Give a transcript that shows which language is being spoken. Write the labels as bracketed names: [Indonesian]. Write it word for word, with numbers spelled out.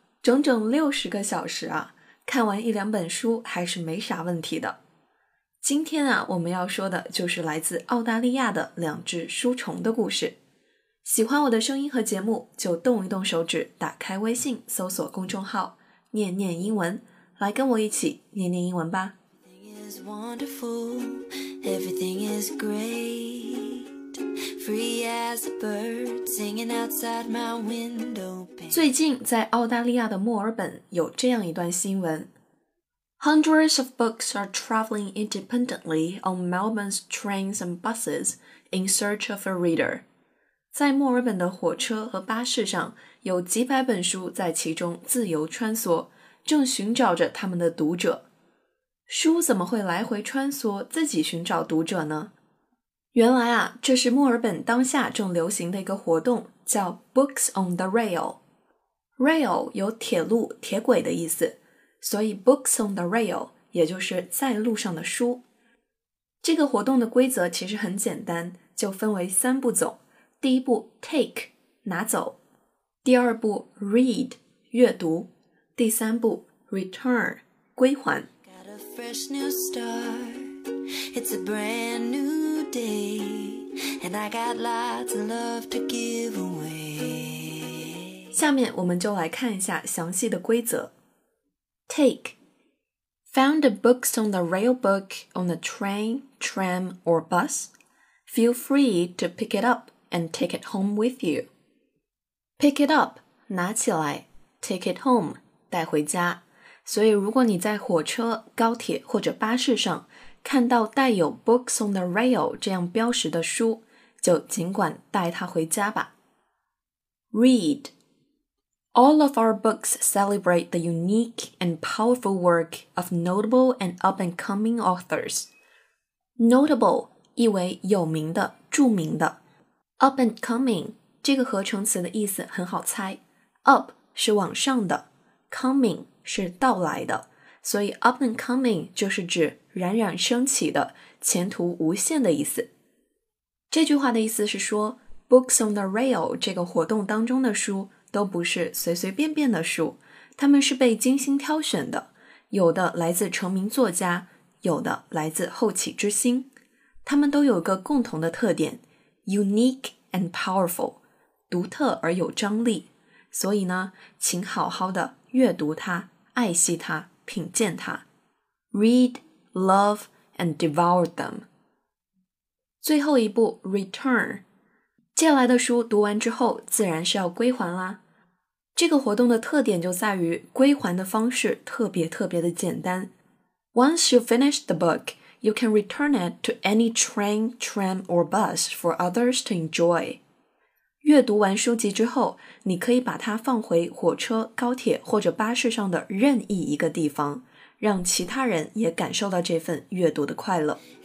[Chinese] 整整六十个小时啊，看完一两本书还是没啥问题的。今天啊，我们要说的就是来自澳大利亚的两只书虫的故事。喜欢我的声音和节目，就动一动手指，打开微信，搜索公众号念念英文，来跟我一起念念英文吧。 [English] Everything is wonderful, everything is great, free as a bird, singing outside my window. [Chinese] 最近在澳大利亚的墨尔本有这样一段新闻。 [English] Hundreds of books are traveling independently on Melbourne's trains and buses in search of a reader. [Chinese] 在墨尔本的火车和巴士上，有几百本书在其中自由穿梭，正寻找着他们的读者。书怎么会来回穿梭，自己寻找读者呢？原来啊，这是墨尔本当下正流行的一个活动，叫 Books on the Rail。 Rail 有铁路、铁轨的意思，所以 Books on the Rail 也就是在路上的书。这个活动的规则其实很简单，就分为三步走。第一步 take 拿走，第二步 read 阅读，第三步 return 归还。 [English] Got a fresh new start, it's a brand new day, and I got lots of love to give away. [Chinese] 下面我们就来看一下详细的规则。 [English] Take Found the books on the rail book on the train, tram or bus. Feel free to pick it up. And take it home with you. Pick it up, [Chinese] 拿起来 [English] take it home, [Chinese] 带回家。所以如果你在火车、高铁或者巴士上看到带有 Books on the Rail 这样标识的书，就尽管带它回家吧。 [English] Read. All of our books celebrate the unique and powerful work of notable and up-and-coming authors. [Chinese] Notable 意为有名的、著名的。 Up and coming 这个合成词的意思很好猜， up 是往上的， coming 是到来的，所以 up and coming 就是指冉冉升起的，前途无限的意思。这句话的意思是说， Books on the Rail 这个活动当中的书都不是随随便便的书，它们是被精心挑选的，有的来自成名作家，有的来自后起之星，它们都有个共同的特点， [English] Unique and powerful, [Chinese] 独特而有张力，所以呢，请好好的阅读它，爱惜它，品鉴它。 [English] Read, love, and devour them. [Chinese] 最后一步 return. 借来的书读完之后，自然是要归还啦。这个活动的特点就在于归还的方式特别特别的简单。 [English] Once you finish the book,You can return it to any train, tram, or bus for others to enjoy. [Chinese] 阅读完书籍之后，你可以把它放回火车、高铁或者巴士上的任意一个地方，让其他人也感受到这份阅读的快乐。